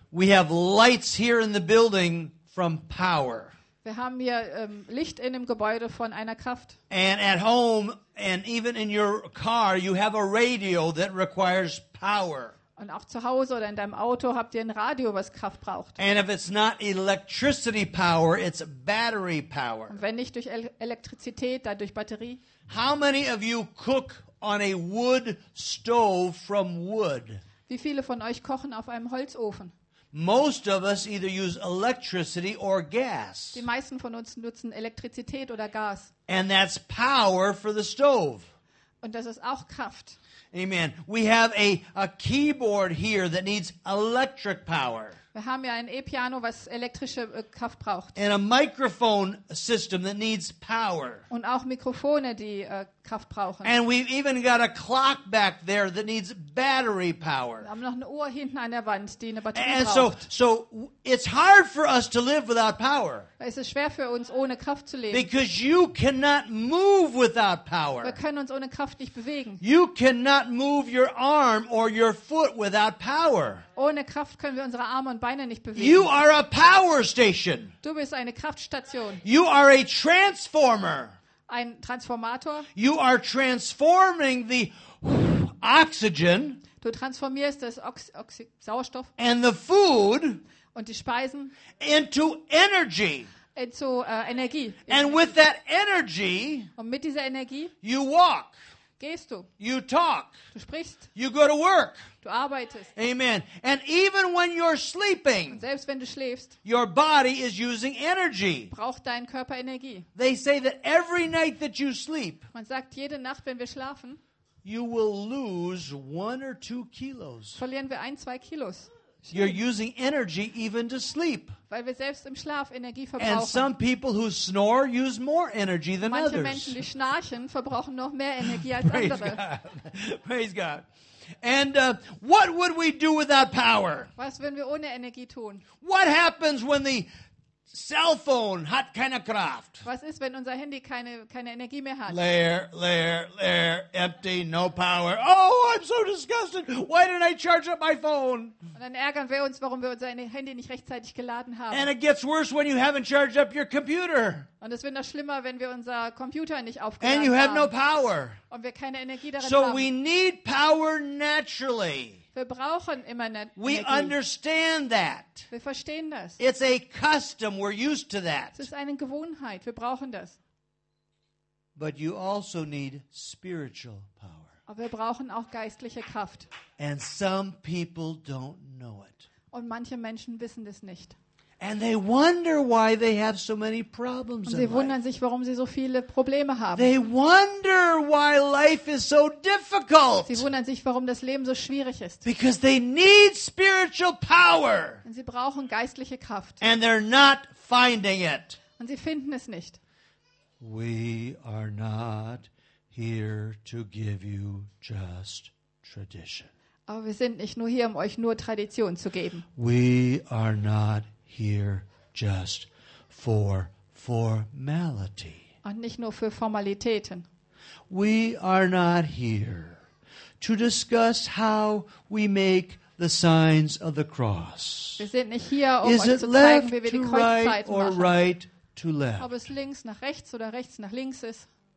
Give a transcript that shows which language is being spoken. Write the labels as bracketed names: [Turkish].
[English] We have lights here in the building from power. [German] Wir haben hier Licht in dem Gebäude von einer Kraft. [English] And at home, and even in your car, you have a radio that requires power. [German] Und auch zu Hause oder in deinem Auto habt ihr ein Radio, was Kraft braucht. [English] And if it's not electricity power, it's battery power. [German] Und wenn nicht durch Elektrizität, dann durch Batterie. [English] How many of you cook on a wood stove from wood? [German] Wie viele von euch kochen auf einem Holzofen? [English] Most of us either use electricity or gas. [German] Die meisten von uns nutzen Elektrizität oder Gas. [English] And that's power for the stove. [German] Und das ist auch Kraft. [English] Amen. We have a keyboard here that needs electric power. [German] Wir haben ja ein E-Piano, was elektrische Kraft braucht. [English] And a microphone system that needs power. [German] Und auch Mikrofone, die Kraft brauchen. [English] And we've even got a clock back there that needs battery power. [German] Wir haben noch eine Uhr hinten an der Wand, die eine Batterie [English] and [German] braucht. [English] So it's hard for us to live without power. [German] Es ist schwer für uns, ohne Kraft zu leben. [English] Because you cannot move without power. [German] Wir können uns ohne Kraft nicht bewegen. [English] You cannot move your arm or your foot without power. [German] Ohne Kraft können wir unsere Arme und Beine nicht bewegen. [English] You are a power station. [German] Du bist eine Kraftstation. [English] You are a transformer. [German] Ein Transformator. [English] You are transforming the oxygen. [German] Du transformierst das Sauerstoff. [English] And the food. [German] Und die Speisen. [English] Into energy. Into [German] Energie. [English] And with that energy. [German] Und mit dieser Energie. [English] You walk. [German] Gehst du. [English] You talk. [German] Du sprichst. [English] You go to work. [German] Du arbeitest. [English] Amen. And even when you're sleeping, [German] und selbst wenn du schläfst, [English] your body is using energy. [German] Braucht dein Körper Energie. [English] They say that every night that you sleep, [German] man sagt, jede Nacht, wenn wir schlafen, [English] you will lose 1 or 2 kilos. [German] Verlieren wir 1-2 Kilos. [English] You're using energy even to sleep. [German] Weil wir selbst im Schlaf Energie verbrauchen. [English] And some people who snore use more energy than [German] Manche [English] others. [German] Menschen, die schnarchen, verbrauchen noch mehr Energie als [English] Praise [German] andere. [English] God. Praise God. And what would we do without power? [German] Was würden wir ohne Energie tun? [English] What happens when the cell phone [German] hat keine Kraft? Was ist, wenn unser Handy keine Energie mehr hat? Leer, [English] empty, no power. Oh, I'm so disgusted. Why didn't I charge up my phone? [German] Und dann ärgern wir uns, warum wir unser Handy nicht rechtzeitig geladen haben. [English] And it gets worse when you haven't charged up your computer. [German] Und es wird noch schlimmer, wenn wir unser Computer nicht aufgeladen haben. [English] And you have [German] haben. [English] No power. [German] Und wir keine Energie darin [English] so [German] haben. [English] So we need power naturally. [German] Wir brauchen immer Energie. [English] We understand that. [German] Wir verstehen das. [English] It's a custom. We're used to that. [German] Es ist eine Gewohnheit. Wir brauchen das. [English] But you also need spiritual power. [German] Aber wir brauchen auch geistliche Kraft. [English] And some people don't know it. [German] Und manche Menschen wissen das nicht. [English] And they wonder why they have so many problems. [German] Und sie wundern sich, warum sie so viele Probleme haben. [English] They wonder why life is so difficult. [German] Sie wundern sich, warum das Leben so schwierig ist. [English] Because they need spiritual power. [German] Und sie brauchen geistliche Kraft. [English] And they're not finding it. [German] Und sie finden es nicht. [English] We are not here to give you just tradition. [German] Aber wir sind nicht nur hier, um euch nur Tradition zu geben. [English] We are not here just for formality. [German] Und nicht nur für Formalitäten. [English] We are not here to discuss how we make the signs of the cross. [German] Wir sind nicht hier, um euch zu zeigen, wie wir die Kreuzzeichen machen. [English] Right to left. [German] Ob es links nach rechts oder rechts nach links ist.